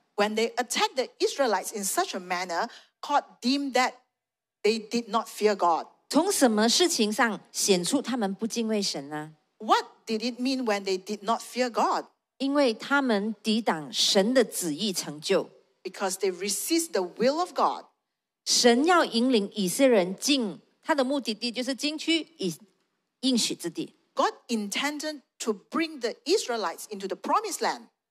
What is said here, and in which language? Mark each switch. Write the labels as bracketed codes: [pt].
[en] When they attacked the Israelites in such a manner, God deemed that they did not fear God. [zh] 从什么事情上显出他们不敬畏神呢？ [en] What did it mean when they did not fear God? [zh] 因为他们抵挡神的旨意成就。 [en] Because they resist the will of God. [zh] 神要引领以色列人进他的目的地就是进去应许之地。 [en] God intended to bring the Israelites into the promised land.